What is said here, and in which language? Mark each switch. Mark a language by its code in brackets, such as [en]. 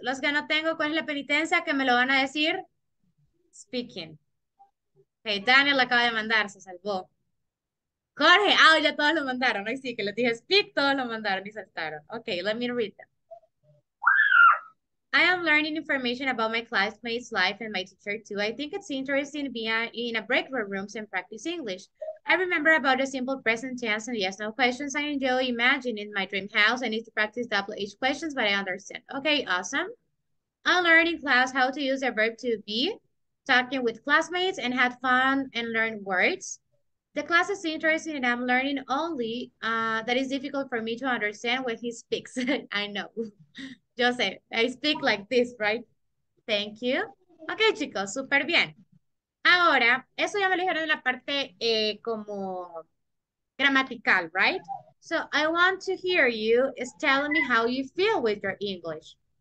[es] Los que no tengo, ¿cuál es la penitencia? Que me lo van a decir. Speaking. Hey, Daniel lo acaba de mandar, se salvó. Jorge, ah, ya todos lo mandaron. Ahí sí, que les dije speak, todos lo mandaron y saltaron. [en] Okay, let me read them. I am learning information about my classmates' life and my teacher too. I think it's interesting being in a breakout rooms and practice English. I remember about the simple present tense and yes, no questions. I enjoy imagining my dream house. I need to practice double H questions, but I understand. Okay, awesome. I learned in class how to use a verb to be, talking with classmates and had fun and learn words. The class is interesting and I'm learning only that is difficult for me to understand when he speaks. I know. Jose, I speak like this, right? Thank you. [es] Okay, chicos, super bien. Ahora, eso ya me lo dijeron en la parte como gramatical, right? [en] So I want to hear you is telling me how you feel with your English.